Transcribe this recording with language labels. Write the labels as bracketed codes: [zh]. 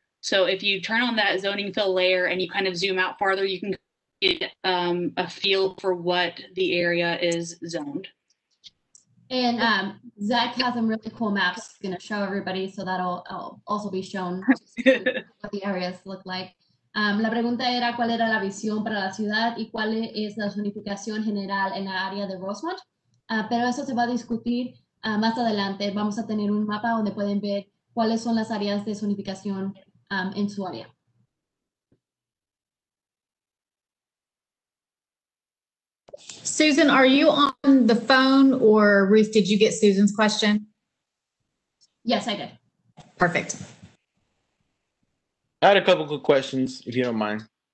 [en] So if you turn on that zoning fill layer and you kind of zoom out farther, you can get a feel for what the area is zoned. And Zach has some really cool maps he's going to show everybody, so that'll also be shown what the areas look like. [es] La pregunta era cuál era la visión para la ciudad y cuál es la zonificación general en la área de Rosemont. Pero eso se va a discutir más adelante. Vamos a tener un mapa donde pueden ver cuáles son las áreas de zonificación en su área. [en] Susan, are you on the phone, or Ruth, did you get Susan's question? Yes, I did. Perfect. I had a couple good questions, if you don't mind.